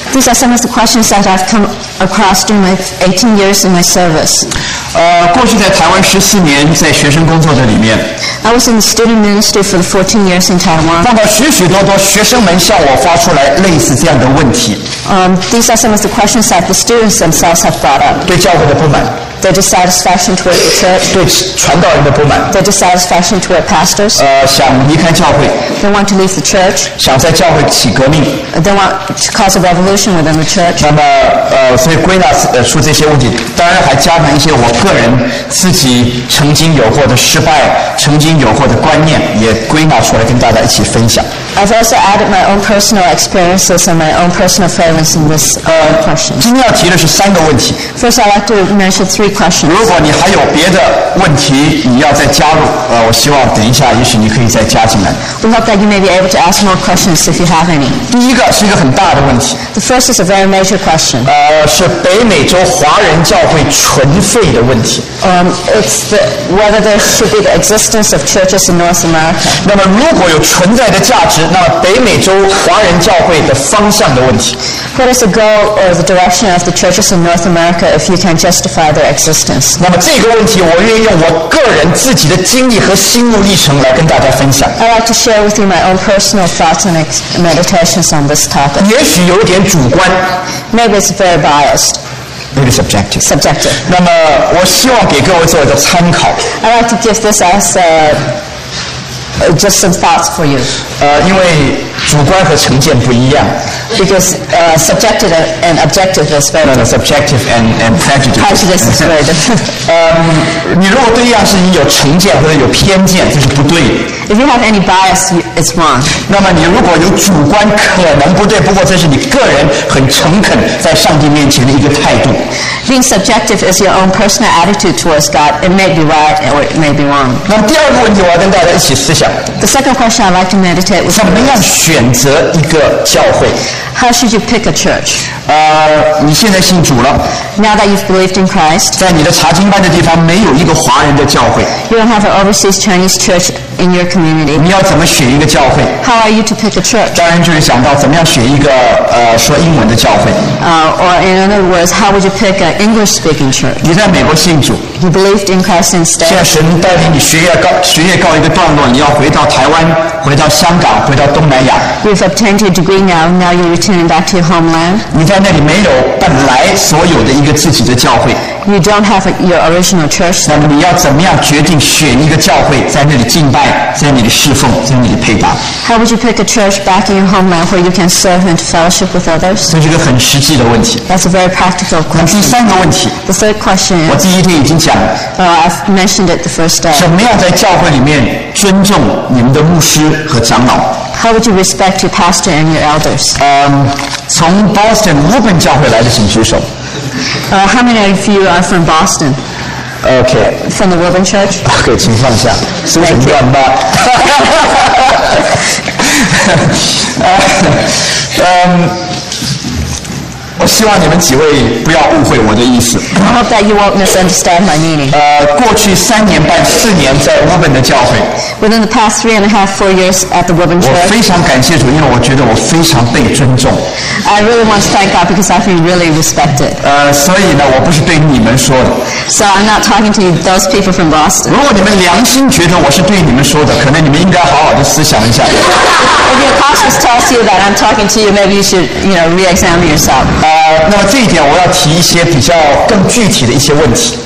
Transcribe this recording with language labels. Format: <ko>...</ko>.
<en>These are some of the questions that I've come across during my 18 years in my service.</en> <zh>过去在台湾14年在学生工作的里面。</zh> <en>I was in the student ministry for the 14 years in Taiwan.</en> <zh>碰到许许多多学生们向我发出来类似这样的问题。</zh> <en>These are some of the questions that the students themselves have brought up.</en> <zh>对教会的不满。</zh> <en>Their dissatisfaction toward the church.</en> <zh>对传道人的不满。</zh> <en>Their dissatisfaction toward pastors.</en> <zh>想离开教会。</zh> <en>They want to leave the church.</en> <zh>想在教会起革命。</zh> <en>They want to cause a revolution within the church.</en> <zh>那么所以归纳出这些问题，当然还加上一些我个人自己曾经有过的失败，曾经有过的观念，也归纳出来跟大家一起分享。</zh> <en>I've also added my own personal experiences and my own personal failings in this question.</en> <zh>今天要提的是三个问题。</zh> <en>First, I'd like to mention three questions.</en> <zh>如果你还有别的问题，你要再加入，我希望等一下，也许你可以再加进来。</zh> <en>We hope that you may be able to ask more questions if you have any.</en> <zh>第一个是一个很大的问题。</zh> <en>The first is a very major question.</en> <zh>是北美洲华人教会存废的问题。</zh> <en>It's the whether there should be the existence of churches in North America.</en> <zh>那么如果有存在的价值，那北美洲华人教会的方向的问题。</zh> <en>What is the goal or the direction of the churches in North America if you can justify their existence?</en> <zh>那么这个问题，我愿意用我个人自己的经历和心路历程来跟大家分享。</zh> <en>I'd like to share with you my own personal thoughts and meditations on this topic.</en> <zh>也许有点主观。</zh> <en>Maybe it's very biased. It is subjective. Subjective.</en> <zh>那么我希望给各位做一个参考。</zh> <en>I'd like to give this as a. Just some thoughts for you.</en> <zh>因为主观和成见不一样。</zh> <en>Because subjective and objective is very different. No, subjective and prejudice. Prejudice is very different.</en> <zh>你如果对一样事情有成见或者有偏见，这是不对。</zh> <en>If you have any bias, it's wrong.</en> <zh>那么你如果有主观可能不对，不过这是你个人很诚恳在上帝面前的一个态度。</zh> <en>Being subjective is your own personal attitude towards God. It may be right or it may be wrong.</en> <zh>那第二个问题，我要跟大家一起思想。</zh> <en>The second question I'd like to meditate with.</en> <zh>怎么样选择一个教会？</zh> <en>How should you pick a church?</en> <zh>你现在信主了。</zh> <en>Now that you've believed in Christ.</en> <zh>在你的查经班的地方没有一个华人的教会。</zh> <en>You don't have an overseas Chinese church in your community.</en> <zh>你要怎么选一个教会？</zh> <en>How are you to pick a church?</en> <zh>当然就是想到怎么样选一个说英文的教会。</zh> <en>Or in other words, how would you pick an English-speaking church?</en> <zh>你在美国信主。</zh> <en>You believed in Christ instead.</en> <zh>现在神带领你学业告一个段落，你要回到台湾，回到香港，回到东南亚。</zh> <en>You've obtained your degree now. Now you return back to your homeland.</en> <zh>你在那里没有本来所有的一个自己的教会。</zh> <en>You don't have your original church.</en> <zh>那么你要怎么样决定选一个教会，在那里敬拜，在那里侍奉，在那里配搭</zh> <en>？How would you pick a church back in your homeland where you can serve and fellowship with others?</en> <zh>这是个很实际的问题。</zh> <en>That's a very practical question.</en> <zh>那第三个问题</zh> <en>？The third question.</en> <zh>我第一天已经讲了。</zh> <en>I've mentioned it the first day.</en> <zh>怎么样在教会里面尊重你们的牧师和长老</zh> <en>？How would you respect your pastor and your elders?</en> <zh>从 Boston 乌本教会来的请举手。</zh> <en>How many of you are from Boston? Okay. From the Woven Church? Okay,</en> <zh>请放下。是不是很乱吧？我希望你们几位不要误会我的意思。</zh> <en>I hope that you won't misunderstand my meaning.</en> <zh>过去三年半、四年在 Woven 的教会。</zh> <en>Within the past three and a half, four years at the Woven Church.</en> <zh>我非常感谢主，因为我觉得我非常被尊重。</zh> <en>I really want to thank God because I feel really respected.</en> <zh>所以呢，我不是对你们说的。</zh> <en>So I'm not talking to those people from Boston.</en> <zh>如果你们良心觉得我是对你们说的，可能你们应该好好的思想一下。</zh> <en>If your conscience tells you that I'm talking to you, maybe you should, you know, re-examine yourself.</en> <zh>那么这一点我要提一些比较更具体的一些问题。</zh>